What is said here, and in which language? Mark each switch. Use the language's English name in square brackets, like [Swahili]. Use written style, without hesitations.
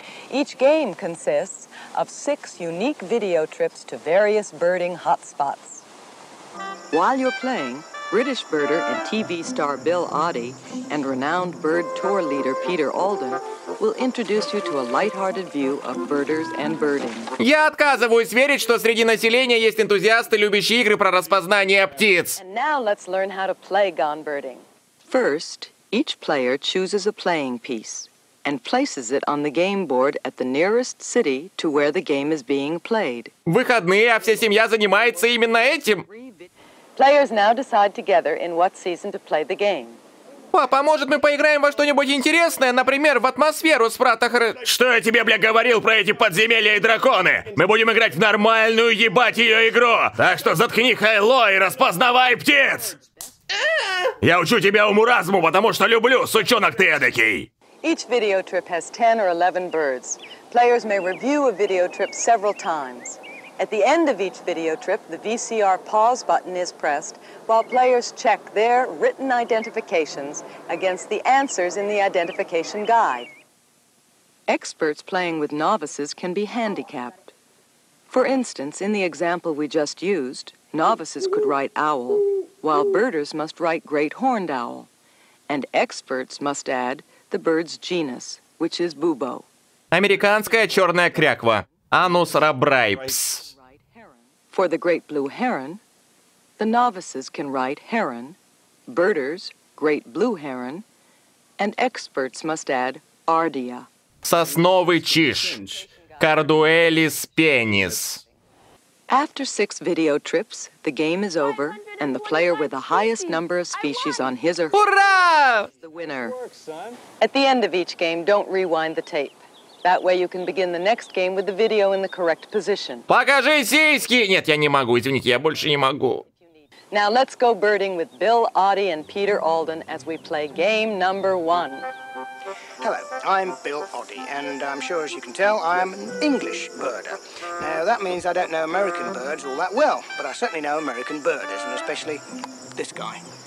[English] Each game consists of 6 unique video trips to various birding hotspots. While you're playing, British birder and TV star Bill Oddie and renowned bird tour leader Peter Alden will introduce you to a light-hearted view of birders and birding. [Russian] Я отказываюсь верить, что среди населения есть энтузиасты, любящие игры про распознание птиц. [English] And now let's learn how to play Gone Birding. First, each player chooses a playing piece and places it on the game board at the nearest city to where the game is being played. [Russian] Выходные, а вся семья занимается именно этим. [English] Players now decide together in what season to play the game. [Russian] Папа, может мы поиграем во что-нибудь интересное, например, в атмосферу с Фратахры? Что я тебе, бля, говорил про эти подземелья и драконы? Мы будем играть в нормальную ебать ее игру! Так что заткни хайло и распознавай птиц! Я учу тебя уму-разуму, потому что люблю, сучонок ты эдакий! [English] Each video trip has 10 or 11 birds. Players may review a video trip several times. At the end of each video trip, the VCR pause button is pressed while players check their written identifications against the answers in the identification guide. Experts playing with novices can be handicapped. For instance, in the example we just used, novices could write owl, while birders must write great horned owl. And experts must add the bird's genus, which is bubo. [Russian] Американская черная кряква. [Latin] Anus rabripes. [English] For the great blue heron, the novices can write heron, birders, great blue heron, and experts must add ardia. [Russian] Сосновый чиж. Кардуэлис пенис. [English] After 6 video trips, the game is over, and the player with the highest number of species on his or her is the winner. At the end of each game, don't rewind the tape. That way you can begin the next game with the video in the correct position. [Russian] Покажи сиськи! Нет, я не могу, извините, я больше не могу. [English] Now let's go birding with Bill Oddie and Peter Alden as we play game number one. Hello, I'm Bill Oddie, and I'm sure as you can tell, I'm an English birder. Now that means I don't know American birds all that well, but I certainly know American birders, and especially this guy.